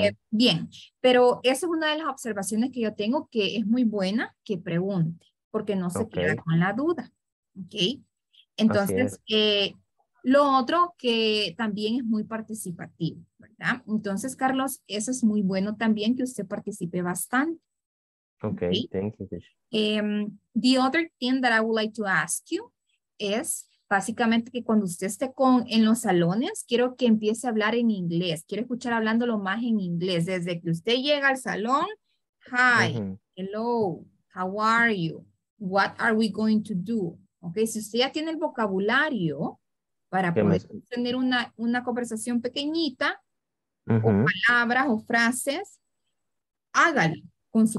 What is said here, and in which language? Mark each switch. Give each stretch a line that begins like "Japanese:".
Spanish: Bien, pero esa es una de las observaciones que yo tengo, que es muy buena que pregunte, porque no se queda con la duda, ¿ok? Entonces, lo otro que también es muy participativo, ¿verdad? Entonces, Carlos, eso es muy bueno también que usted participe bastante.
English: Okay, thank you. The other thing that I would like to ask you is...
Spanish: Básicamente que cuando usted esté con, en los salones, quiero que empiece a hablar en inglés. Quiero escuchar hablándolo más en inglés. Desde que usted llega al salón,
English: hi, hello, how are you? What are we going to do?
Spanish: Okay, si usted ya tiene el vocabulario para poder tener una conversación pequeñita, o palabras o frases, hágalo con su